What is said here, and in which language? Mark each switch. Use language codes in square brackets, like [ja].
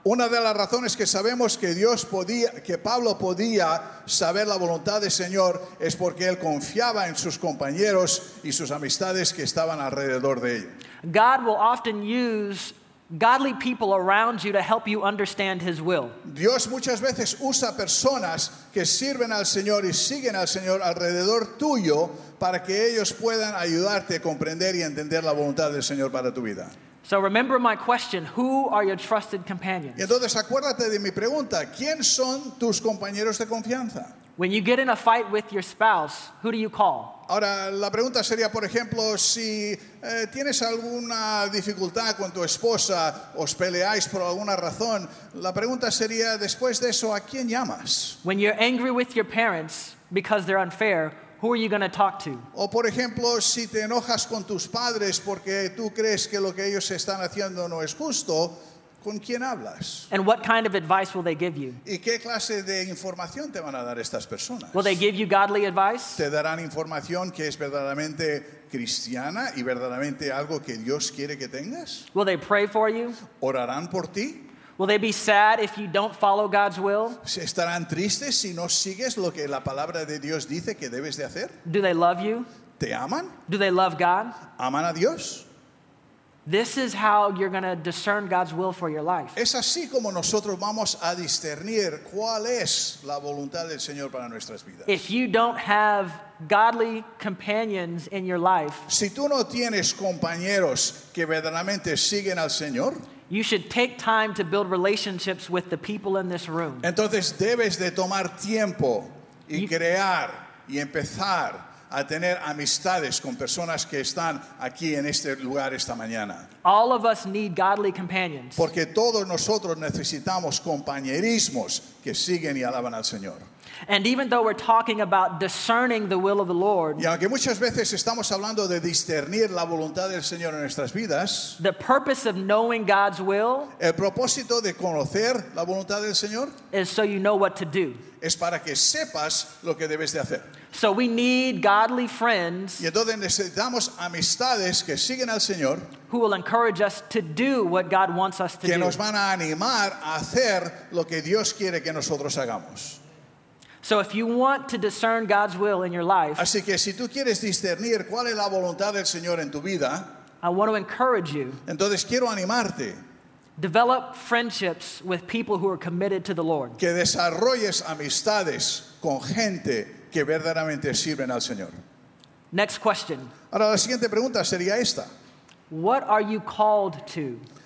[es] Una de las razones que sabemos que Dios podía, que Pablo podía saber la voluntad del Señor es porque él confiaba en sus compañeros y sus amistades que estaban alrededor de él. [en] God will often use godly people around you to help you understand his will. [es] Dios muchas veces usa personas que sirven al Señor y siguen al Señor alrededor tuyo para que ellos puedan ayudarte a comprender y entender la voluntad del Señor para tu vida. [en] So remember my question, who are your trusted companions? [es] Y entonces acuérdate de mi pregunta, ¿quién son tus compañeros de confianza? [en] When you get in a fight with your spouse, who do you call? [es] Ahora, la pregunta sería, por ejemplo, si tienes alguna dificultad con tu esposa, os peleáis por alguna razón, la pregunta sería, después de eso, ¿a quién llamas? [en] When you're angry with your parents because they're unfair, who are you going to talk to? [es] O por ejemplo, si te enojas con tus padres porque tú crees que lo que ellos están haciendo no es justo, ¿con quién hablas? [en] And what kind of advice will they give you? [es] ¿Y qué clase de información te van a dar estas personas? [en] Will they give you godly advice? [es] ¿Te darán información que es verdaderamente cristiana y verdaderamente algo que Dios quiere que tengas? [en] Will they pray for you? [es] ¿Orarán por ti? [en] Will they be sad if you don't follow God's will? [es] ¿Estarán tristes si no sigues lo que la palabra de Dios dice que debes de hacer? [en] Do they love you? [es] ¿Te aman? [en] Do they love God? [es] ¿Aman a Dios? [en] This is how you're going to discern God's will for your life. [es] Es así como nosotros vamos a discernir cuál es la voluntad del Señor para nuestras vidas. [en] If you don't have godly companions in your life, [es] si tú no tienes compañeros que verdaderamente siguen al Señor, [en] you should take time to build relationships with the people in this room. [es] Entonces debes de tomar tiempo y crear y empezar a tener amistades con personas que están aquí en este lugar esta mañana. [en] All of us need godly companions. [es] Porque todos nosotros necesitamos compañerismos que siguen y alaban al Señor. [en] And even though we're talking about discerning the will of the Lord, [es] y aunque muchas veces estamos hablando de discernir la voluntad del Señor en nuestras vidas, [en] the purpose of knowing God's will, [es] el propósito de conocer la voluntad del Señor, [en] is so you know what to do. [es] Es para que sepas lo que debes de hacer. [en] So we need godly friends, [es] y entonces necesitamos amistades que siguen al Señor, [en] who will encourage us to do what God wants us to [es] que [en] do. [es] Que nos van a animar a hacer lo que Dios quiere que nosotros hagamos. [en] So if you want to discern God's will in your life, [es] así que si tú quieres discernir cuál es la voluntad del Señor en tu vida, [en] I want to encourage you. [es] Entonces quiero animarte. [en] Develop friendships with people who are committed to the Lord. [es] Que desarrolles amistades con gente que verdaderamente sirven al Señor. [en] Next question. [es] Ahora la siguiente pregunta sería esta. [en] What are you called to?